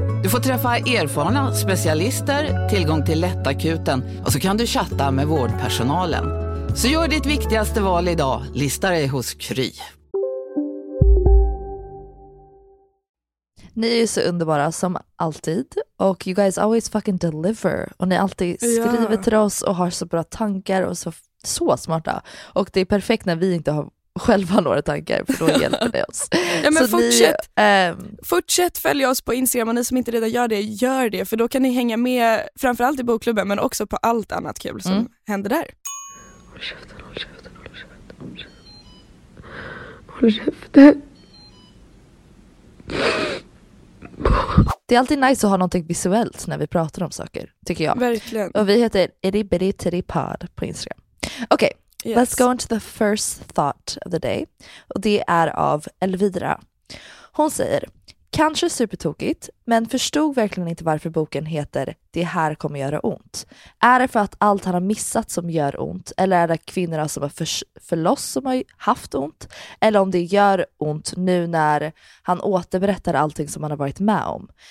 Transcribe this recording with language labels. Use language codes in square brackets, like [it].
[sv] Du får träffa erfarna specialister, tillgång till lättakuten och så kan du chatta med vårdpersonalen. Så gör ditt viktigaste val idag. Lista dig hos Kry. Ni är så underbara som alltid. Och [en] you guys always fucking deliver. [sv] Och ni alltid skriver till oss och har så bra tankar och så smarta. Och det är perfekt när vi inte har själva några tankar, för då hjälper det oss. Ja, men fortsätt följa oss på Instagram, och ni som inte redan gör det, för då kan ni hänga med framförallt i bokklubben, men också på allt annat kul som händer där. Håll käften. Det är alltid nice att ha någonting visuellt när vi pratar om saker, tycker jag. Verkligen. Och vi heter Eribiritiripad på Instagram. Okej. Yes. [en] Let's go into the first thought of the day. [sv] Och det är av Elvira. Hon säger, kanske supertokigt, men förstod verkligen inte varför boken heter Det här kommer göra ont. Är det för att allt han har missat som gör ont? Eller är det kvinnorna som har förloss som har haft ont? Eller om det gör ont nu när han återberättar allting som han har varit med om?